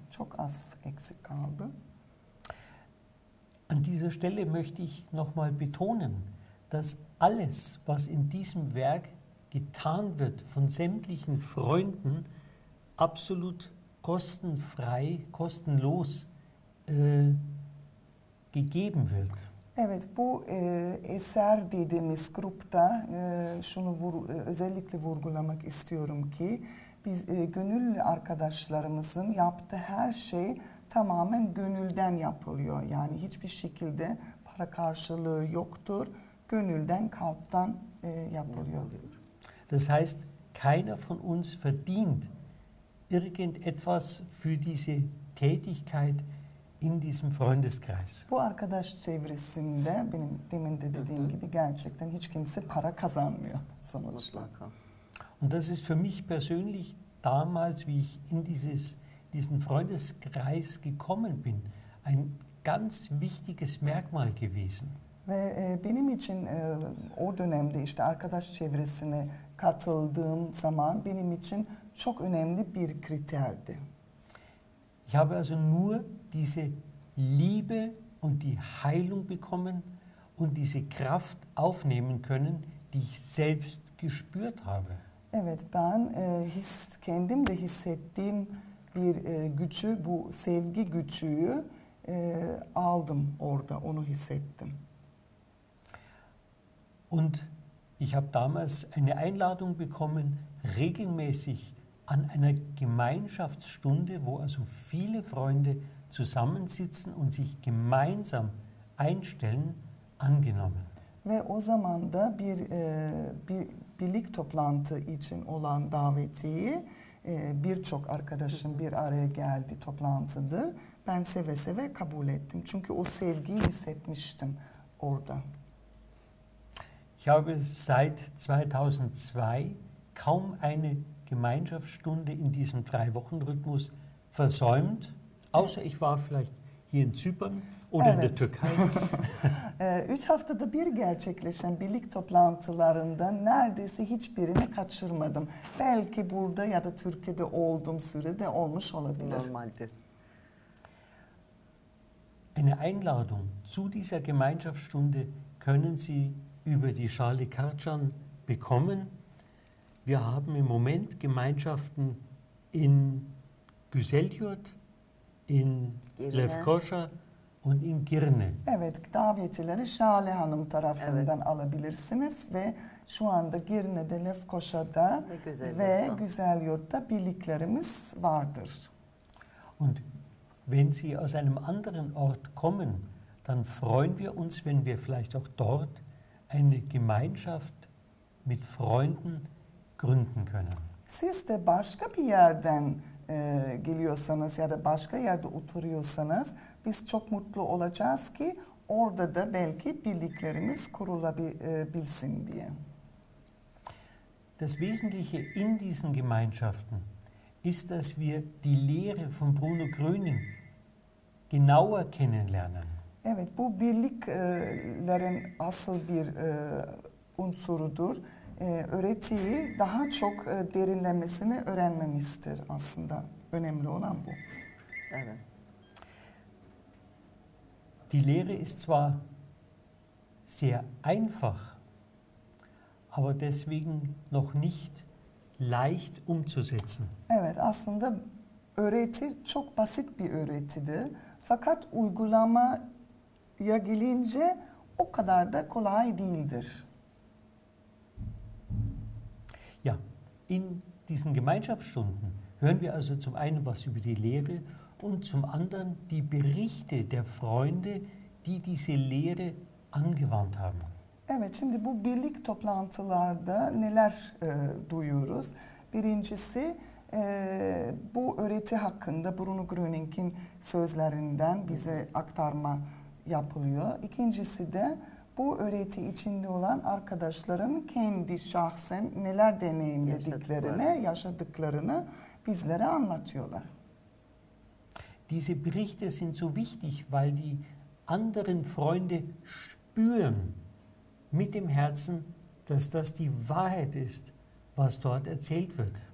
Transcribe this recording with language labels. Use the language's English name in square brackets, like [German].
[Turkish] Çok az eksik kaldı. [German] An dieser Stelle möchte ich nochmal betonen, dass alles, was in diesem Werk getan wird von sämtlichen Freunden, absolut kostenfrei, kostenlos gegeben wird. [Turkish] Evet, bu eser dediğimiz grupta şunu özellikle vurgulamak istiyorum ki, biz gönüllü arkadaşlarımızın yaptığı her şey tamamen gönülden yapılıyor. Yani hiçbir şekilde para karşılığı yoktur. Gönülden, kalptan yapılıyor. [German] Das heißt, keiner von uns verdient irgendetwas für diese Tätigkeit in diesem Freundeskreis. [Turkish] Bu arkadaş çevresinde benim demin de dediğim gibi gerçekten hiç kimse para kazanmıyor sonuçta. [German] Und das ist für mich persönlich damals, wie ich in diesen Freundeskreis gekommen bin, ein ganz wichtiges Merkmal gewesen. [Turkish] Ve benim için o dönemde işte arkadaş çevresine katıldığım zaman benim için çok önemli bir kriterdi. [German] Ich habe also nur diese Liebe und die Heilung bekommen und diese Kraft aufnehmen können, die ich selbst gespürt habe. [Turkish] Evet, ben kendim de hissettiğim bir gücü, bu sevgi gücüyü aldım orada, onu hissettim. [German] Und ich habe damals eine Einladung bekommen, regelmäßig an einer Gemeinschaftsstunde, wo also viele Freunde zusammensitzen und sich gemeinsam einstellen, angenommen. [Turkish] Ve o zaman da bir birlik toplantı için olan davetiyi birçok arkadaşım bir araya geldi toplantıdı. Ben seve seve kabul ettim. Çünkü o sevgiyi hissetmiştim orada. [German] Ich habe seit 2002 kaum eine Gemeinschaftsstunde in diesem 3-Wochen-Rhythmus versäumt. Außer ich war vielleicht hier in Zypern oder [Turkish] evet. [German] in der Türkei. [Turkish] 3 haftada bir gerçekleşen birlik toplantılarından neredeyse hiçbirini kaçırmadım. Belki burada ya da Türkiye'de olduğum sürede olmuş olabilir. Normaldir. [German] Eine Einladung zu dieser Gemeinschaftsstunde können Sie über die Charlie Karchan bekommen. Wir haben im Moment Gemeinschaften in Güzeljurt, in Lefkoşa und in Girne. [Turkish] Evet, davetileri Şale Hanım tarafından evet. alabilirsiniz ve şu anda Girne'de, Lefkoşa'da ve Güzeljurt'ta birliklerimiz vardır. [German] Und wenn Sie aus einem anderen Ort kommen, dann freuen wir uns, wenn wir vielleicht auch dort eine Gemeinschaft mit Freunden gründen können. [Turkish] Siz de başka bir yerden geliyorsanız ya da başka yerde oturuyorsanız, biz çok mutlu olacağız ki orada da belki birliklerimiz kurulabilsin diye. [German] Das Wesentliche in diesen Gemeinschaften ist, dass wir die Lehre von Bruno Gröning genauer kennenlernen. [Turkish] Evet, bu birliklerin asıl bir unsurudur. Öğretiyi daha çok derinlemesine öğrenmemizdir aslında. Önemli olan bu. Evet. [German] Die Lehre ist zwar sehr einfach, aber deswegen noch nicht leicht umzusetzen. [Turkish] Evet, aslında öğreti çok basit bir öğretidir. Fakat uygulama ya gelince o kadar da kolay değildir. [German] Ja, in diesen Gemeinschaftsstunden hören wir also zum einen was über die Lehre und zum anderen die Berichte der Freunde, die diese Lehre angewandt haben. [Turkish] Evet, şimdi bu birlik toplantılarda neler duyuyoruz? Birincisi bu öğreti hakkında Bruno Gröning'in sözlerinden bize aktarma yapılıyor. İkincisi de bu öğreti içinde olan arkadaşların kendi şahsen neler deneyimlediklerini, yaşadıklarını bizlere anlatıyorlar. [German] Diese Berichte sind so wichtig, weil die anderen Freunde spüren mit dem Herzen, dass das die Wahrheit ist, was dort erzählt wird.